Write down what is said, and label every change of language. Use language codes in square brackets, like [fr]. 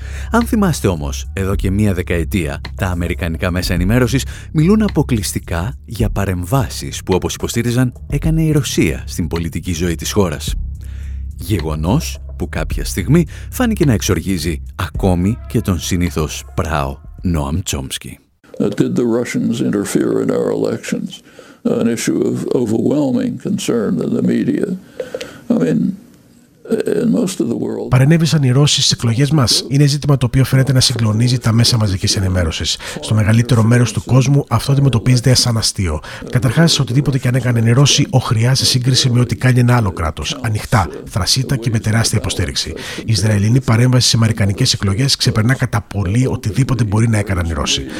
[el] Αν θυμάστε όμως, εδώ και μία δεκαετία, τα αμερικανικά μέσα ενημέρωσης μιλούν αποκλειστικά για παρεμβάσεις που, όπως υποστήριζαν, έκανε η Ρωσία στην πολιτική ζωή της χώρας. Γεγονός που κάποια στιγμή φάνηκε να εξοργίζει ακόμη και τον συνήθως πράο Νόαμ Τσόμσκι. [en] Did the Russians interfere in our elections? An issue of overwhelming concern in the media. I mean, in most of the world. [el] Παρενέβησαν οι Ρώσοι στις εκλογές μας? Είναι ζήτημα το οποίο φαίνεται να συγκλονίζει τα μέσα μαζικής ενημέρωσης. Στο μεγαλύτερο μέρος του κόσμου αυτό αντιμετωπίζεται σαν αστείο. Καταρχάς, οτιδήποτε και αν έκανε οι Ρώσοι, οχριά σε σύγκριση με ό,τι κάνει ένα άλλο κράτος. Ανοιχτά, θρασίτα και με τεράστια υποστήριξη. Η Ισραηλινή παρέμβαση σε αμερικανικές εκλογές ξεπερνά κατά πολύ οτιδήποτε μπορεί να έκαναν οι Ρώσοι.